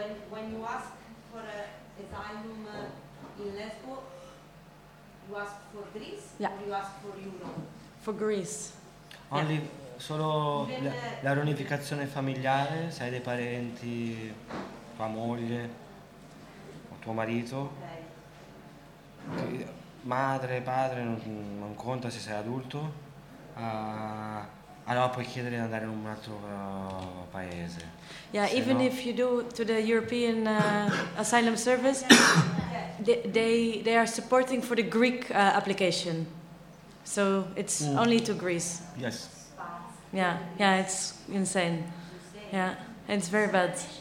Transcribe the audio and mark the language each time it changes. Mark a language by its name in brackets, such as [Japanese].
[English] When you ask for asylum in Lesbos, you ask for Greece, yeah, or you ask for Europe? For Greece. Only, yeah. [Italian] Solo la riunificazione familiare, se hai dei parenti, tua moglie, o tuo marito, [English] okay, [Italian] madre, padre, non conta se sei adulto, allora puoi chiedere di andare in un altro paese. [English] Yeah, [Italian] se [English] even no, if you do to the European asylum service, they are supporting for the Greek application, so it's only to Greece. Yes. Yeah, it's insane. Yeah, it's very bad.